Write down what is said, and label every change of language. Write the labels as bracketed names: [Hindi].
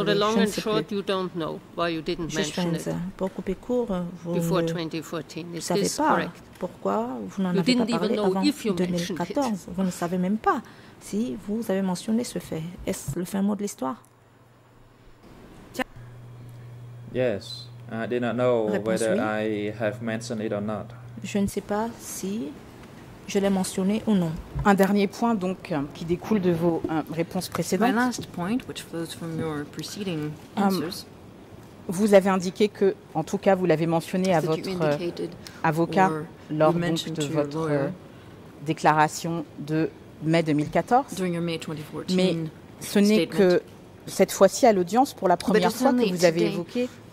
[English] So the long and short, you don't know why you didn't mention it. [French] Pour couper court, vous [English] before 2014, [French] ne savez pas pourquoi vous n'en avez pas parlé avant 2014. Vous ne savez même pas si vous avez mentionné ce fait. Est-ce le fin mot de l'histoire? [English] Yes. I did not know whether I have mentioned it or not. [French] Je ne sais pas si je l'ai mentionné ou non. Un dernier point donc qui découle de vos réponses précédentes. [English] My last point, which flows from your preceding answers. [French] Vous avez indiqué que, en tout cas, vous l'avez mentionné à votre avocat lors donc de votre déclaration de mai 2014. [English] During your May 2014. [French] Mais ce n'est que cette fois-ci à l'audience pour la première fois que vous avez évoqué.